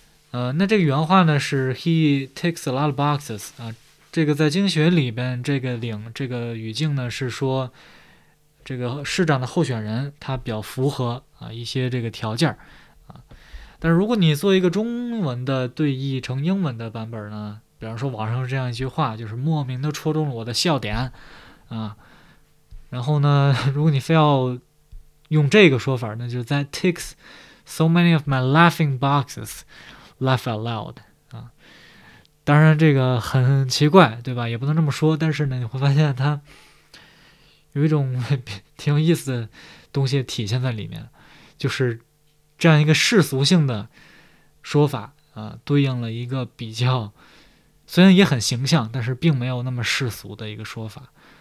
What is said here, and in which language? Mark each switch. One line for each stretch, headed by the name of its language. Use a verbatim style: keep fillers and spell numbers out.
Chinese: 呃，那这个原话呢是
English: He ticks a lot of boxes
Chinese: 啊，这个在经学里边这个领这个语境呢是说，这个市长的候选人他比较符合啊一些这个条件啊。但如果你做一个中文的对译成英文的版本呢，比方说网上这样一句话，就是莫名的戳中了我的笑点啊。然后呢，如果你非要用这个说法，那就
English: That ticks so many of my laughing boxes, laugh out loud 啊。
Chinese: 当然这个很奇怪，对吧？也不能这么说，但是呢，你会发现它有一种挺有意思的东西体现在里面，就是这样一个世俗性的说法啊，对应了一个比较虽然也很形象，但是并没有那么世俗的一个说法。